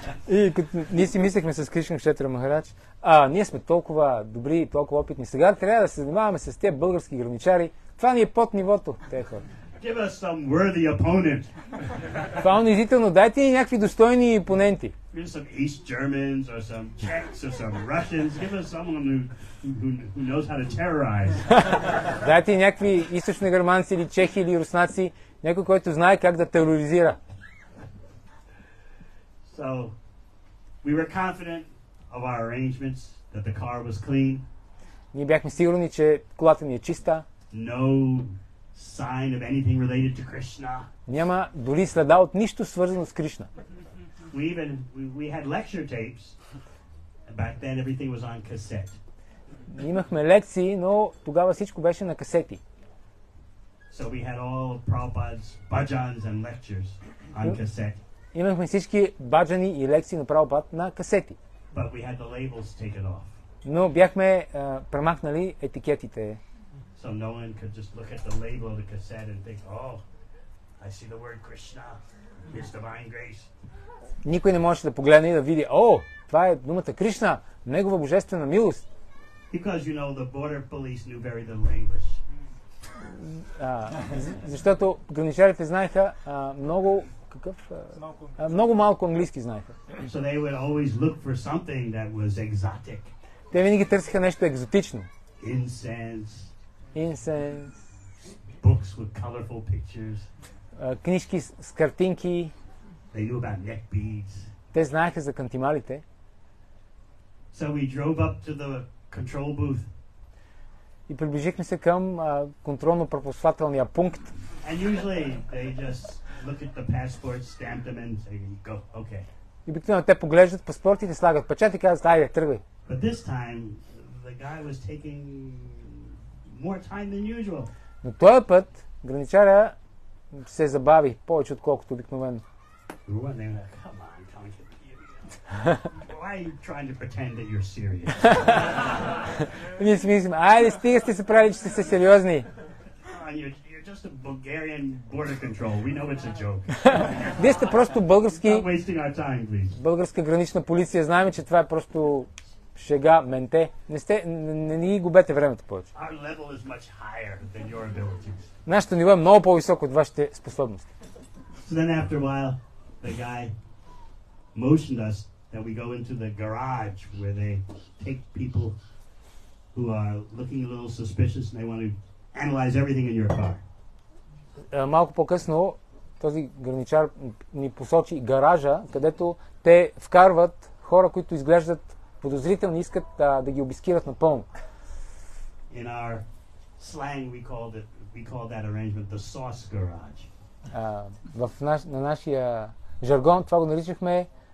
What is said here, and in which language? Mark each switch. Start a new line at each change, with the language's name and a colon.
Bulgarian: И като ние си мислехме с Кришна Кшетра Махарадж, ние сме толкова добри и толкова опитни. Сега трябва да се занимаваме с тези български граничари. Това ни е под нивото, тези хора.
English: Give us some worthy opponent.
Bulgarian: Това е унизително. Дайте ни някакви достойни опоненти.
English: Give us some East Germans or some Czechs or some Russians. Give us someone who knows how to terrorize.
Bulgarian: Дайте ни някакви източни германци или чехи или руснаци, някой който знае как да тероризира.
English: So we were confident of our arrangements that the car was clean.
Bulgarian: Ние бяхме сигурни, че колата ни е чиста.
English: No sign of anything related to Krishna.
Bulgarian: Няма дори следа от нищо свързано с Кришна.
English: We had lecture tapes. Back then everything was on cassette.
Bulgarian: Имахме лекции, но тогава всичко беше на касети.
English: So we had all Prabhupada's bhajans and lectures on cassette.
Bulgarian: Имахме всички баджани и лекции на Прабхупад на касети.
English: But we had the labels taken off.
Bulgarian: Но бяхме премахнали етикетите.
English: So no one could just look at the label of the cassette and think, oh, I see the word Krishna, His divine grace.
Bulgarian: Никой не може да погледне и да види, о, това е думата Кришна, Негова божествена милост.
English: Because, you know, the border police knew very little English.
Bulgarian: Защото граничарите знаеха много, какъв? Много малко английски знаеха.
English: So they would always look for something that was exotic.
Bulgarian: Те винаги търсиха нещо екзотично.
English: Incense. Books with colorful pictures.
Bulgarian: Книжки с картинки.
English: They knew about neck beads.
Bulgarian: Те знаеха за кантималите.
English: So we drove up to the control booth.
Bulgarian: И приближихме се към контролно-пропускателния пункт.
English: And usually they just look at the passport, stamp them and say, go, okay.
Bulgarian: И обикновено те поглеждат паспортите, слагат печат и казват, айде, тръгвай.
English: But this time the guy was taking more time than usual.
Bulgarian: Но този път граничаря се забави повече отколкото обикновено.
English: Why are you trying to pretend that you're serious?
Bulgarian: Ние си мислим, айде стига сте се правили, че сте сериозни.
English: You're just a Bulgarian border control. We know it's a joke.
Bulgarian: Вие сте просто български...
English: Stop wasting our time, please.
Bulgarian: Българска гранична полиция. Знаем, че това е просто шега, менте. Не ги губете времето повече.
English: Our level is much higher than your abilities.
Bulgarian: Нашето ниво е много по-високо от вашите способности.
English: So then after a while, the guy motioned us that we go into the garage where they take people who are looking a little suspicious and they want to analyze everything in your car.
Bulgarian: Малко по-късно този граничар ни посочи гаража, където те вкарват хора, които изглеждат подозрителни, искат да ги обискират напълно.
English: In our slang we call that arrangement the sauce garage.
Bulgarian: На нашия жаргон това го наричахме